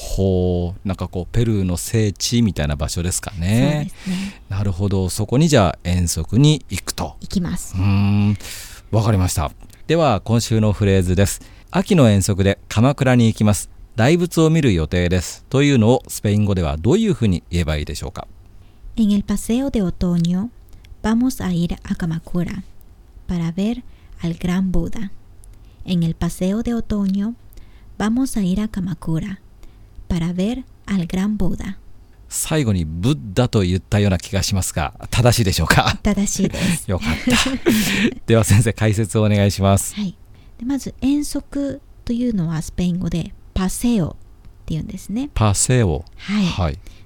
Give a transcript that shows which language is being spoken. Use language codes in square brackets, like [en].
[ja] ほう、なんかこうペルーの聖地みたいな場所ですかね。そうですね。なるほど、そこにじゃあ遠足に行くと。行きます。わかりました。では今週のフレーズです。秋の遠足で鎌倉に行きます、大仏を見る予定ですというのをスペイン語ではどういうふうに言えばいいでしょうか？ [es] En el paseo de otoño vamos a ir a Kamakura para ver al gran Buda. En el paseo de otoño vamos a ir a Kamakura para ver al gran Buda. [ja] 最後にブッダと言ったような気がしますが、正しいでしょうか？正しいです。よかった。では先生、解説をお願いします。はい、でまず遠足というのはスペイン語でパセオって言うんですね。パセオ、はい、はい。